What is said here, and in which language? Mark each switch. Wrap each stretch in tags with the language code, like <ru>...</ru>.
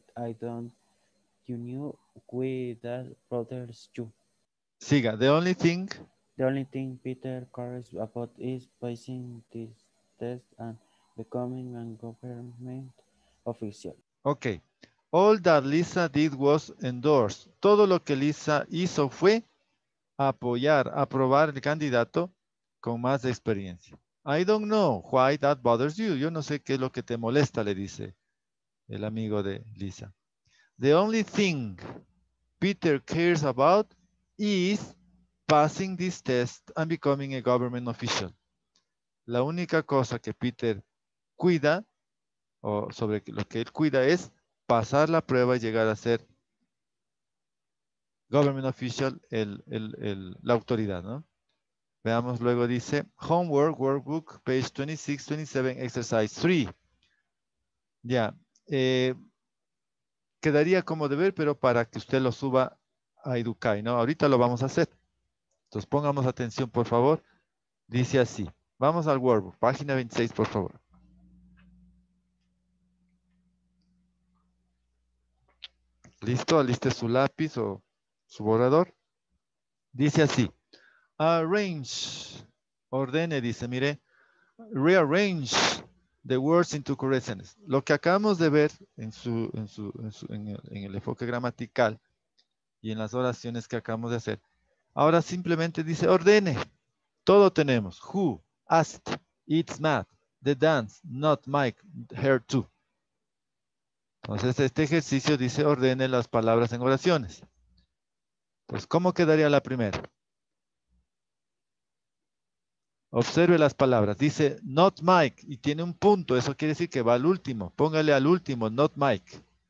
<en>I don't, you knew we that brothers you.</en> <es>Siga,</es> <en>the only thing. The only thing Peter cares about is passing this test and becoming a government official. Okay. All that Lisa did was endorse.</en> <es>Todo lo que Lisa hizo fue apoyar, aprobar el candidato con más experiencia.</es> <en>I don't know why that bothers you.</en> <es>Yo no sé qué es lo que te molesta, le dice el amigo de Lisa.</es> <en>The only thing Peter cares about is passing this test and becoming a government official.</en> <es>La única cosa que Peter cuida, o sobre lo que él cuida, es pasar la prueba y llegar a ser</es> <en>government official,</en> <es>la autoridad, ¿no? Veamos, luego dice,</es> <en>homework, workbook, page 26, 27, exercise 3.</en> <es>Ya, quedaría como deber, pero para que usted lo suba a Educai, ¿no? Ahorita lo vamos a hacer. Entonces pongamos atención, por favor. Dice así, vamos al workbook, página 26, por favor. ¿Listo? ¿Aliste su lápiz o su borrador? Dice así.</es> <en>Arrange.</en> <es>Ordene, dice, mire.</es> <en>Rearrange the words into correct sentence.</en> <es>Lo que acabamos de ver en el enfoque gramatical y en las oraciones que acabamos de hacer. Ahora simplemente dice, ordene. Todo tenemos.</es> <en>Who, asked, it's Matt, the dance, not Mike, her too.</en> <es>Entonces, este ejercicio dice, ordene las palabras en oraciones. Entonces, ¿cómo quedaría la primera? Observe las palabras. Dice,</es> <en>not Mike,</en> <es>y tiene un punto. Eso quiere decir que va al último. Póngale al último,</es> <en>not Mike.</en>